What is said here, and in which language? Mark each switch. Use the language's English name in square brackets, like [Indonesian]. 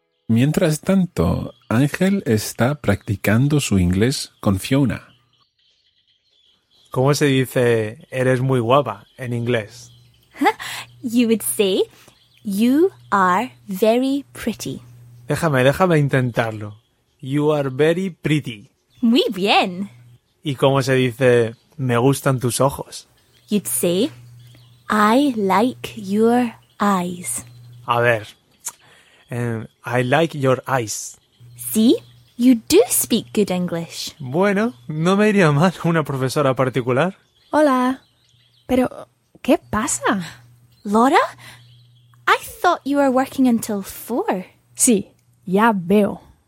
[Spanish] Mientras tanto, Ángel está practicando su inglés con Fiona. ¿Cómo se dice eres muy guapa en inglés? [English] You would say you are very pretty. [Spanish] Déjame intentarlo. [English] You are very pretty. [Spanish] Muy bien. ¿Y cómo se dice me gustan tus ojos? [English] You'd say I like your eyes. [Spanish] A ver. [English] I like your eyes. Sí, you do speak good English. [Spanish] Bueno, no me iría mal una profesora particular. Hola. Pero, ¿qué pasa? [English] Laura, I thought you were working until 4. [Spanish] Sí, ya veo.